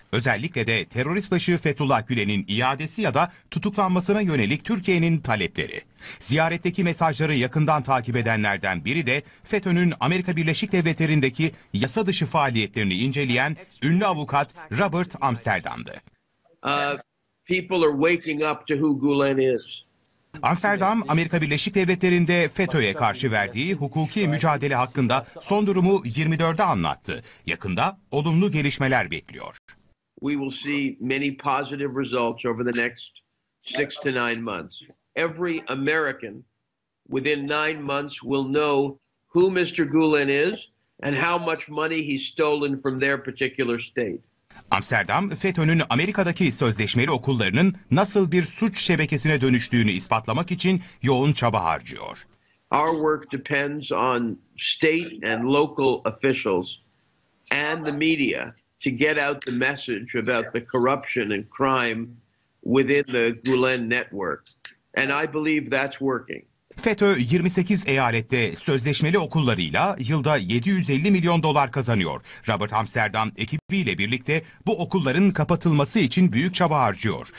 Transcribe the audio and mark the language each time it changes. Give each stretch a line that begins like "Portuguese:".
Turkish: Özellikle de terörist başı Fethullah Gülen'in iadesi ya da tutuklanmasına yönelik Türkiye'nin talepleri. Ziyaretteki mesajları yakından takip edenlerden biri de FETÖ'nün Amerika Birleşik Devletleri'ndeki yasa dışı faaliyetlerini inceleyen ünlü avukat Robert Amsterdam'dı.
English: People are waking up to who Gulen is.
Turkish: Amsterdam, Amerika Birleşik Devletleri'nde FETÖ'ye karşı verdiği hukuki mücadele hakkında son durumu 24'de anlattı. Yakında olumlu gelişmeler bekliyor.
English: We will see many positive results over the next 6 to 9 months. Every American within 9 months will know who Mr. Gulen is and how much money he's stolen from their particular state.
Turkish: Amsterdam, FETÖ'nün Amerika'daki sözleşmeli okullarının nasıl bir suç şebekesine dönüştüğünü ispatlamak için yoğun çaba harcıyor.
English: Our work depends on state and local officials and the media to get out the message about the corruption and crime within the Gulen network. And I believe that's working.
Turkish: FETÖ 28 eyalette sözleşmeli okullarıyla yılda 750 milyon dolar kazanıyor. Robert Amsterdam ekibiyle birlikte bu okulların kapatılması için büyük çaba harcıyor.